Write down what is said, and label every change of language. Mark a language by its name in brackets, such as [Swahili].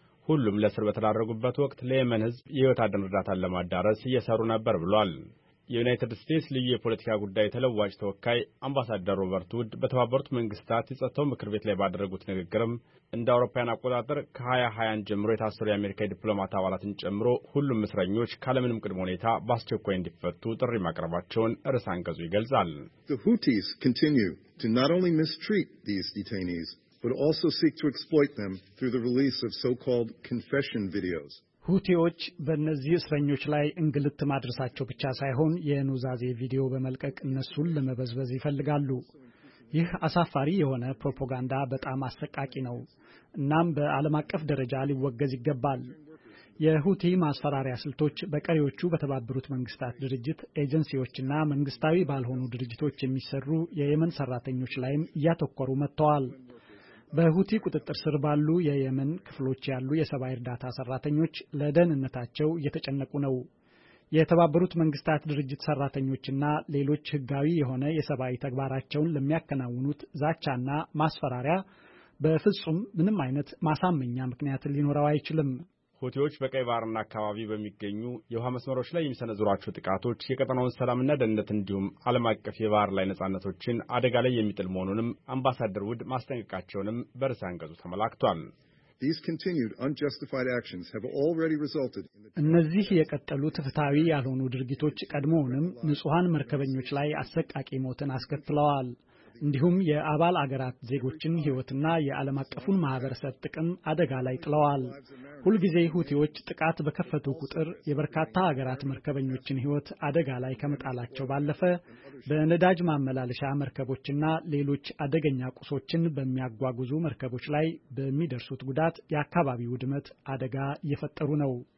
[Amharic] ሁሉም ለእስር በተዳረጉበት ወቅት ለየመን ህዝብ የህይወት አድን እርዳታን ለማዳረስ እየሰሩ ነበር ብሏል። የዩናይትድ ስቴትስ ልዩ የፖለቲካ ጉዳይ ተለዋጭ ተወካይ አምባሳደር ሮበርት ውድ በተባበሩት መንግስታት የጸጥታው ምክር ቤት ላይ ባደረጉት ንግግርም እንደ አውሮፓውያን አቆጣጠር ከ2021 ጀምሮ የታሰሩ የአሜሪካ ዲፕሎማት አባላትን ጨምሮ ሁሉም እስረኞች ካለምንም ቅድመ ሁኔታ በአስቸኳይ እንዲፈቱ ጥሪ ማቅረባቸውን ርዕሰ አንቀጹ ይገልጻል። [English] The Houthis continue to not only mistreat these detainees, but also seek to exploit them through the release of so-called confession videos. [Amharic] ሁቲዎች በእነዚህ እስረኞች ላይ እንግልት ማድረሳቸው ብቻ ሳይሆን የኑዛዜ ቪዲዮ በመልቀቅ እነሱን ለመበዝበዝ ይፈልጋሉ። ይህ አሳፋሪ የሆነ ፕሮፖጋንዳ በጣም አስቀቃቂ ነው። እናም በዓለም አቀፍ ደረጃ ሊወገዝ ይገባል። የሁቲ ማስፈራሪያ ስልቶች በቀሪዎቹ በተባበሩት መንግስታት ድርጅት ኤጀንሲዎችና መንግስታዊ ባልሆኑ ድርጅቶች የሚሰሩ የየመን ሰራተኞች ላይም ያተኮሩ መጥተዋል። በሁቲ ቁጥጥር ስር ባሉ የየመን ክፍሎች ያሉ የሰብአዊ እርዳታ ሰራተኞች ለደህንነታቸው እየተጨነቁ ነው። የተባበሩት መንግስታት ድርጅት ሰራተኞችና ሌሎች ህጋዊ የሆነ የሰብአዊ ተግባራቸውን ለሚያከናውኑት ዛቻና ማስፈራሪያ በፍጹም ምንም አይነት ማሳመኛ ምክንያት ሊኖረው አይችልም። ሁቲዎች በቀይ ባህርና አካባቢ በሚገኙ የውሃ መስመሮች ላይ የሚሰነዝሯቸው ጥቃቶች የቀጠናውን ሰላምና ደህንነት እንዲሁም ዓለም አቀፍ የባህር ላይ ነጻነቶችን አደጋ ላይ የሚጥል መሆኑንም አምባሳደር ውድ ማስጠንቀቃቸውንም በርዕሰ አንቀጹ ተመላክቷል። [English] These continued unjustified actions have already resulted in the [Amharic] እነዚህ የቀጠሉት ፍትሃዊ ያልሆኑ ድርጊቶች ቀድሞውንም ንጹሃን መርከበኞች ላይ አሰቃቂ ሞትን አስከትለዋል። እንዲሁም የአባል አገራት ዜጎችን ህይወትና የዓለም አቀፉን ማህበረሰብ ጥቅም አደጋ ላይ ጥለዋል። ሁልጊዜ ሁቲዎች ጥቃት በከፈቱ ቁጥር የበርካታ አገራት መርከበኞችን ህይወት አደጋ ላይ ከመጣላቸው ባለፈ በነዳጅ ማመላለሻ መርከቦችና ሌሎች አደገኛ ቁሶችን በሚያጓጉዙ መርከቦች ላይ በሚደርሱት ጉዳት የአካባቢው ድመት አደጋ እየፈጠሩ ነው።